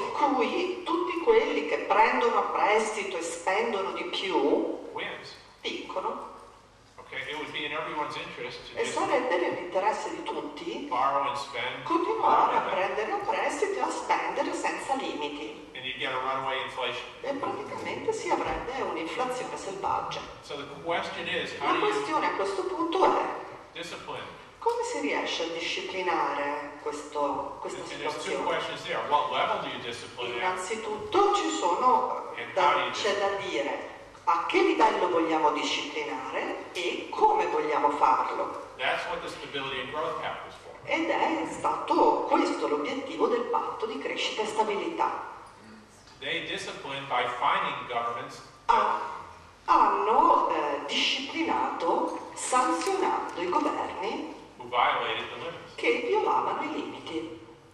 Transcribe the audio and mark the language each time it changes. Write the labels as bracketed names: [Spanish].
[Italian] In cui tutti quelli che prendono prestito e spendono di più vincono. [English] Okay, it would be in everyone's interest to [Italian] e sarebbe nell'interesse di tutti [English] borrow and spend [Italian] continuare a prendere a prestito e a spendere senza limiti. [English] And you'd get a runaway inflation. [Italian] E praticamente si avrebbe un'inflazione selvaggia. [English] So the question is, how [Italian] La questione [English] do you [Italian] a questo punto è [English] discipline. [Italian] Come si riesce a disciplinare questa situazione? [English] What level do you discipline? [Italian] Innanzitutto ci sono c'è da dire a che livello vogliamo disciplinare e come vogliamo farlo. [English] That's what the stability and growth pact was for. [Italian] Ed è stato questo l'obiettivo del patto di crescita e stabilità. [English] They disciplined by fining governments. [Italian] Hanno disciplinato sanzionando i governi che violavano i limiti.